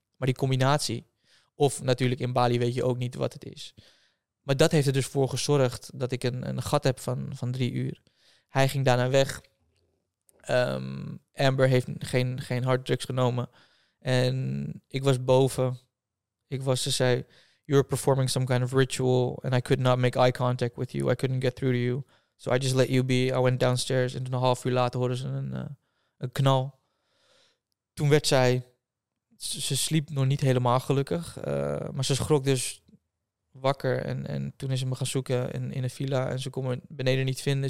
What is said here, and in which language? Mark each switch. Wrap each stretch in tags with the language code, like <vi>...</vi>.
<nl>Maar die combinatie, of natuurlijk in Bali weet je ook niet wat het is. Maar dat heeft er dus voor gezorgd dat ik een gat heb van 3 uur. Hij ging daarna weg. Amber heeft geen harddrugs genomen. En ik was boven. Ze zei,</nl> <en>you're performing some kind of ritual and I could not make eye contact with you. I couldn't get through to you. So I just let you be. I went downstairs</en> <nl>en een half uur later hoorden ze een knal. Toen werd zij, ze sliep nog niet helemaal gelukkig, maar ze schrok dus wakker. En toen is ze me gaan zoeken in een villa en ze kon me beneden niet vinden.</nl>